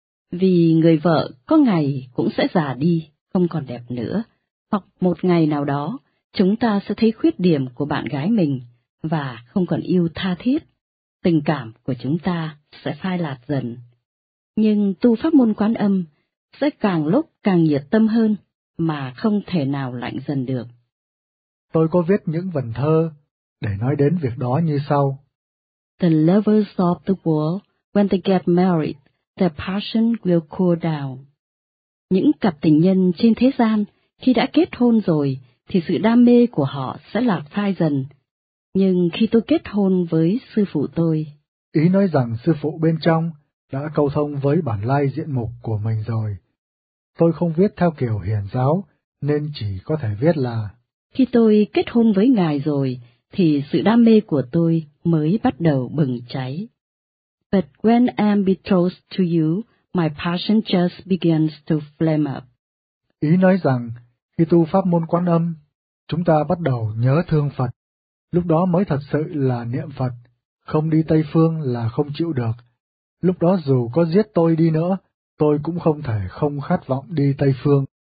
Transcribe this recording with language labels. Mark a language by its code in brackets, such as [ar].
[vi] Vì người vợ có ngày cũng sẽ già đi, không còn đẹp nữa, hoặc một ngày nào đó, chúng ta sẽ thấy khuyết điểm của bạn gái mình và không còn yêu tha thiết, tình cảm của chúng ta sẽ phai lạt dần. Nhưng tu pháp môn Quán Âm sẽ càng lúc càng nhiệt tâm hơn mà không thể nào lạnh dần được. Tôi có viết những vần thơ để nói đến việc đó như sau. [en] The lovers of the world, when they get married, their passion will cool down. [vi] Những cặp tình nhân trên thế gian khi đã kết hôn rồi thì sự đam mê của họ sẽ lạc phai dần. Nhưng khi tôi kết hôn với sư phụ tôi... Ý nói rằng sư phụ bên trong đã câu thông với bản lai diện mục của mình rồi. Tôi không viết theo kiểu hiền giáo, nên chỉ có thể viết là... Khi tôi kết hôn với ngài rồi, thì sự đam mê của tôi mới bắt đầu bừng cháy. [en] But when I'm betrothed to you, my passion just begins to flame up. [vi] Ý nói rằng, khi tu pháp môn Quán Âm, chúng ta bắt đầu nhớ thương Phật. Lúc đó mới thật sự là niệm Phật, không đi Tây Phương là không chịu được. Lúc đó dù có giết tôi đi nữa, tôi cũng không thể không khát vọng đi Tây Phương.